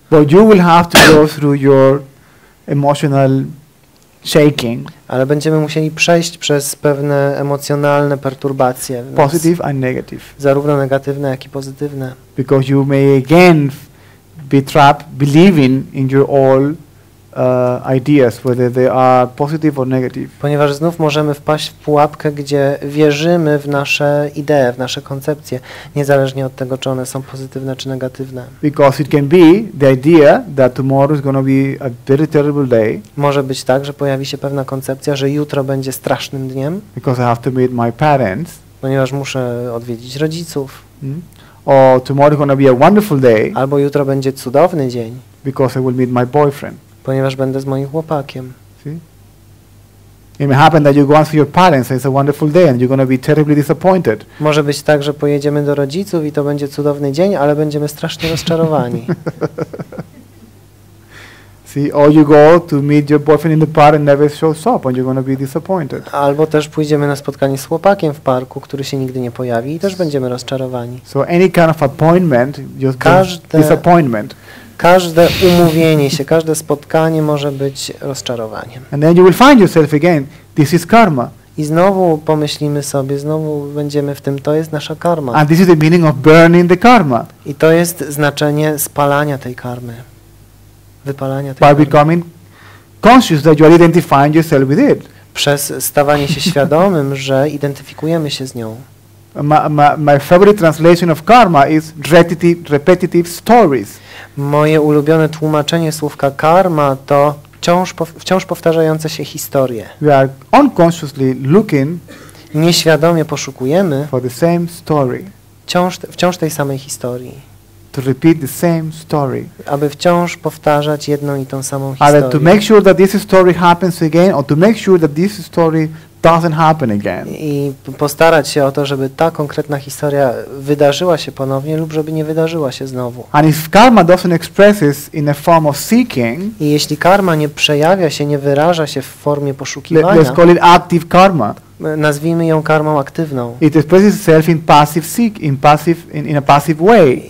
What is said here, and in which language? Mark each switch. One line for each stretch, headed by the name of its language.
English: But you will have to go through your emotional shaking.
Polish: Ale będziemy musieli przejść przez pewne emocjonalne perturbacje.
English: Positive and negative.
Polish: Zarówno negatywne, jak i pozytywne.
English: Because you may again be trapped believing in your old ideas, whether they are positive or negative.
Polish: Ponieważ znów możemy wpaść w pułapkę, gdzie wierzymy w nasze idee, w nasze koncepcje, niezależnie od tego, czy one są pozytywne czy negatywne.
English: Because it can be the idea that tomorrow is going to be a very terrible day.
Polish: Może być tak, że pojawi się pewna koncepcja, że jutro będzie strasznym dniem.
English: Because I have to meet my parents.
Polish: Ponieważ muszę odwiedzić rodziców.
English: Or tomorrow is going to be a wonderful day.
Polish: Albo jutro będzie cudowny dzień.
English: Because I will meet my boyfriend.
Polish: Ponieważ będę z moim chłopakiem.
English: See? It may happen that you go out to your parents and it's a wonderful day and you're going to be terribly disappointed.
Polish: Może być tak, że pojedziemy do rodziców i to będzie cudowny dzień, ale będziemy strasznie rozczarowani.
English: See, or you go to meet your boyfriend in the park and never shows up and you're going to be disappointed.
Polish: Albo też pójdziemy na spotkanie z chłopakiem w parku, który się nigdy nie pojawi i też będziemy rozczarowani.
English: So any kind of appointment, just disappointment.
Polish: Każde umówienie się, każde spotkanie może być rozczarowaniem.
English: And then you will find yourself again. This is karma.
Polish: I znowu pomyślimy sobie, znowu będziemy w tym, to jest nasza karma.
English: And this is the meaning of burning the karma.
Polish: I to jest znaczenie spalania tej karmy. Wypalania tej
English: By
Polish: karmy.
English: By becoming conscious that you are identifying yourself with it.
Polish: Przez stawanie się świadomym, że identyfikujemy się z nią.
English: My favorite translation of karma is repetitive stories.
Polish: Moje ulubione tłumaczenie słówka karma to wciąż powtarzające się historie.
English: We are unconsciously looking.
Polish: Nieświadomie poszukujemy
English: for the same story.
Polish: Wciąż tej samej historii.
English: To repeat the same story.
Polish: Aby wciąż powtarzać jedną i tą samą historię. Ale
English: to make sure that this story happens again, or to make sure that this story doesn't happen again.
Polish: I postarać się o to, żeby ta konkretna historia wydarzyła się ponownie lub żeby nie wydarzyła się znowu.
English: And if karma doesn't express in a form of seeking,
Polish: i jeśli karma nie przejawia się, nie wyraża się w formie poszukiwania,
English: let's call it active karma.
Polish: Nazwijmy ją karmą aktywną.
English: It expresses itself in passive seek, in a passive way.